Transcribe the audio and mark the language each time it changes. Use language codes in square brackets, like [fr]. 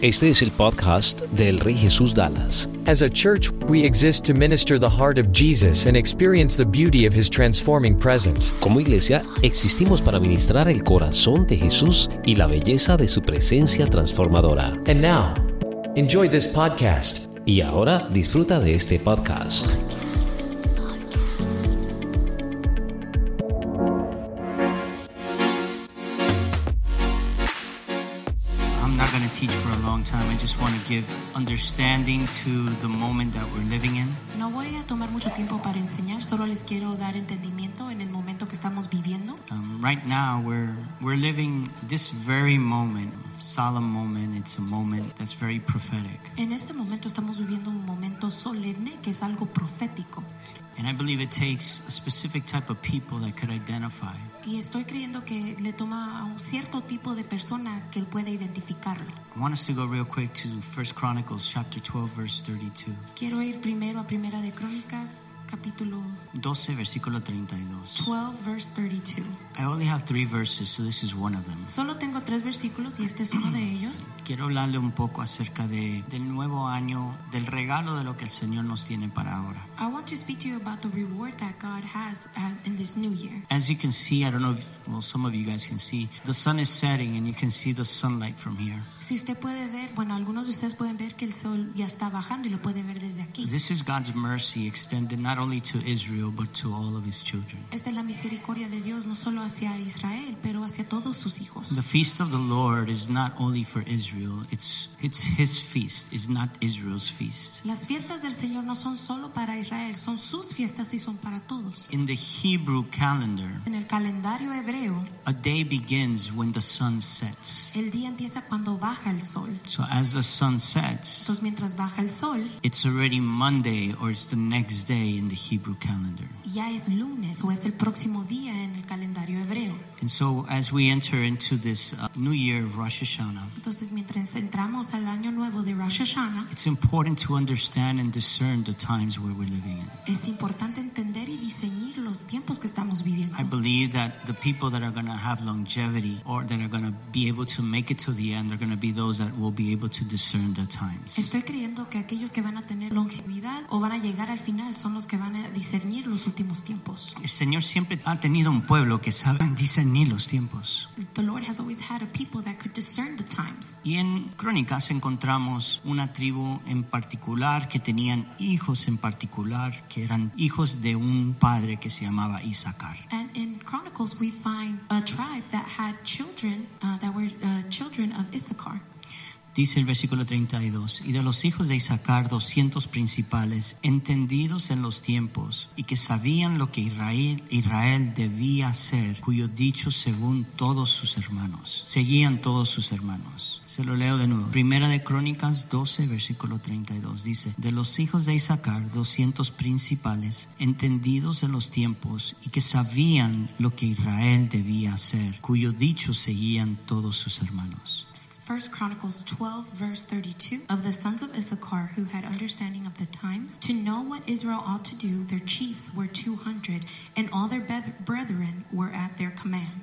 [es] Este es el podcast del Rey Jesús Dallas. [en] As a church, we exist to minister the heart of Jesus and experience the beauty of his transforming presence. [es] Como iglesia, existimos para ministrar el corazón de Jesús y la belleza de su presencia transformadora. [en] And now, enjoy this podcast. [es] Y ahora, disfruta de este podcast. [en] I just want to give understanding to the moment that we're living in. [es] No voy a tomar mucho tiempo para enseñar, solo les quiero dar entendimiento en el momento que estamos viviendo. [en] Right now we're living this very moment, solemn moment. It's a moment that's very prophetic. [es] En este momento estamos viviendo un momento solemne que es algo profético. [en] And I believe it takes a specific type of people that could identify. [es] Y estoy creyendo que le toma a un cierto tipo de persona que él puede identificarlo. [en] I want us to go real quick to 1 Chronicles chapter 12 verse 32. [es] Quiero ir primero a Primera de Crónicas capítulo 12 versículo 32. [en] 12 verse 32. I only have 3 verses, so this is one of them. [es] Solo tengo 3 versículos y este es uno de ellos. Quiero hablarle un poco acerca del nuevo año, del regalo de lo que el Señor nos tiene para ahora. [en] I want to speak to you about the reward that God has in this new year. As you can see, I don't know if some of you guys can see, the sun is setting and you can see the sunlight from here. [es] Si usted puede ver, bueno, algunos de ustedes pueden ver que el sol ya está bajando y lo puede ver desde aquí. [en] This is God's mercy extended not only to Israel but to all of his children. [es] Esta es la misericordia de Dios no solo hacia Israel, pero hacia todos sus hijos. [en] The feast of the Lord is not only for Israel, it's his feast, it's not Israel's feast. [es] Las fiestas del Señor no son solo para Israel, son sus fiestas y son para todos. [en] In the Hebrew calendar, [es] en el calendario hebreo, [en] a day begins when the sun sets. [es] El día empieza cuando baja el sol. [en] So as the sun sets, [es] entonces mientras baja el sol, [en] it's already Monday or it's the next day in the Hebrew calendar. [es] Ya es lunes o es el próximo día en el calendario hebreo. [en] And so as we enter into this new year of Rosh Hashanah, [es] entonces mientras entramos al año nuevo de Rosh Hashanah, [en] it's important to understand and discern the times where we're living in. [es] Es importante entender y diseñar los tiempos que estamos viviendo. [en] I believe that the people that are going to have longevity or that are going to be able to make it to the end are going to be those that will be able to discern the times. [es] Estoy creyendo que aquellos que van a tener longevidad o van a llegar al final son los que van a discernir los últimos tiempos. El Señor siempre ha tenido un pueblo que sabe discernir los tiempos. [en] The Lord has always had a people that could discern the times. [es] Y en Crónicas encontramos una tribu en particular que tenían hijos en particular que eran hijos de un padre que se llamaba Isaacar. [en] And in Chronicles we find a tribe that had children that were children of Issachar. [es] Dice el versículo 32, y de los hijos de Isaacar 200 principales, entendidos en los tiempos, y que sabían lo que Israel debía hacer, cuyo dicho según todos sus hermanos, seguían todos sus hermanos. Se lo leo de nuevo. Primera de Crónicas 12, versículo 32, dice, de los hijos de Isaacar 200 principales, entendidos en los tiempos, y que sabían lo que Israel debía hacer, cuyo dicho seguían todos sus hermanos. [en] 1 Chronicles 12 verse 32, of the sons of Issachar who had understanding of the times, to know what Israel ought to do, their chiefs were 200, and all their brethren were at their command.